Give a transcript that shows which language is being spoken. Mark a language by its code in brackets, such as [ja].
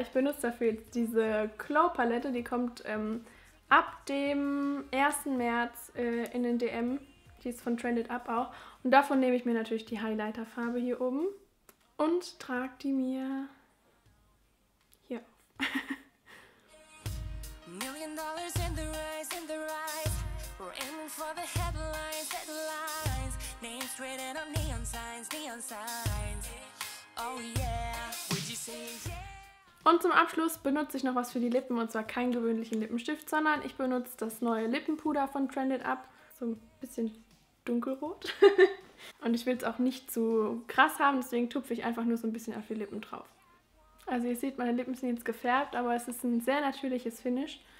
[de] Ich benutze dafür jetzt diese Glow Palette, die kommt ab dem 1. März in den DM. Die ist von Trended Up auch. Und davon nehme ich mir natürlich die Highlighterfarbe hier oben und trage die mir hier auf. [en] Million Dollars in the rise, in the rise. We're aiming for the headlines, headlines. Names written on neon signs, neon signs. Oh yeah, would you say yeah? [de] Und zum Abschluss benutze ich noch was für die Lippen, und zwar keinen gewöhnlichen Lippenstift, sondern ich benutze das neue Lippenpuder von Trended Up. So ein bisschen dunkelrot. Und ich will es auch nicht zu krass haben, deswegen tupfe ich einfach nur so ein bisschen auf die Lippen drauf. Also ihr seht, meine Lippen sind jetzt gefärbt, aber es ist ein sehr natürliches Finish.